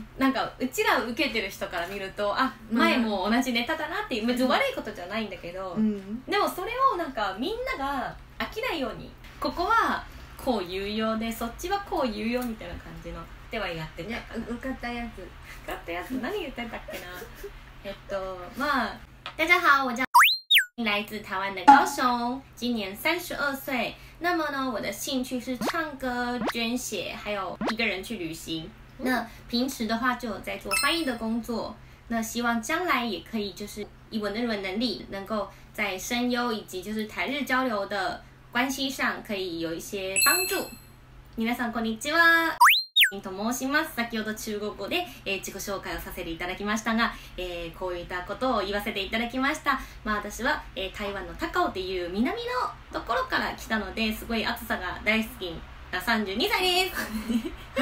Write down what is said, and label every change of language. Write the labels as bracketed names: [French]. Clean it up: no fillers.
[Japanese] なんかうちら受けてる人から見ると、あ、前も同じネタだなっていう、別に悪いことじゃないんだけど、うん、でもそれをなんかみんなが飽きないように、ここはこう言うようで、そっちはこう言うよみたいな感じのではやってたかな。受かったやつ、受かったやつ、何言ってたっけな。 [Chinese] まあ、大家好、我叫来自台湾的高雄，今年32岁。那么呢，我的兴趣是唱歌、捐血，还有一个人去旅行。那平时的话就有在做翻译的工作。那希望将来也可以，就是以我的日文能力，能够在声优以及就是台日交流的关系上，可以有一些帮助。 [Japanese] 皆さんこんにちは。と申します。先ほど中国語で、自己紹介をさせていただきましたが、こういったことを言わせていただきました。まあ、私は、台湾の高雄という南のところから来たので、すごい暑さが大好きな32歳です。